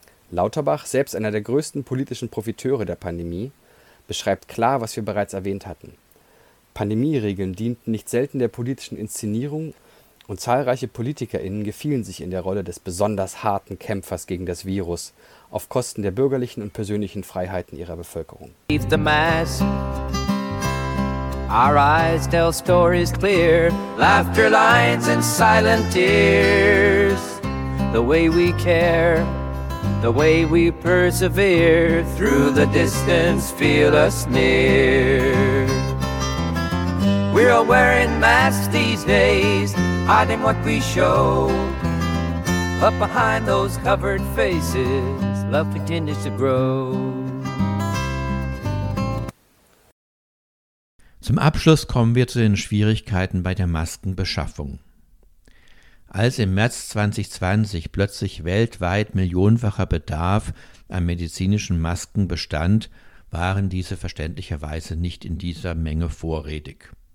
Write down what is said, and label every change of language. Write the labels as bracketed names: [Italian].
[German] Lauterbach, selbst einer der größten politischen Profiteure der Pandemie, beschreibt klar, was wir bereits erwähnt hatten. Pandemieregeln dienten nicht selten der politischen Inszenierung und zahlreiche PolitikerInnen gefielen sich in der Rolle des besonders harten Kämpfers gegen das Virus auf Kosten der bürgerlichen und persönlichen Freiheiten ihrer Bevölkerung. [English] Leave the mask. Our eyes tell stories clear. Laughter lines and silent tears. The way we care. The way we persevere. Through the distance feel us near. We're all wearing masks these days, hiding what we show. But behind those covered faces, love continues to grow. [German] Zum Abschluss kommen wir zu den Schwierigkeiten bei der Maskenbeschaffung. Als im März 2020 plötzlich weltweit millionenfacher Bedarf an medizinischen Masken bestand, waren diese verständlicherweise nicht in dieser Menge vorrätig.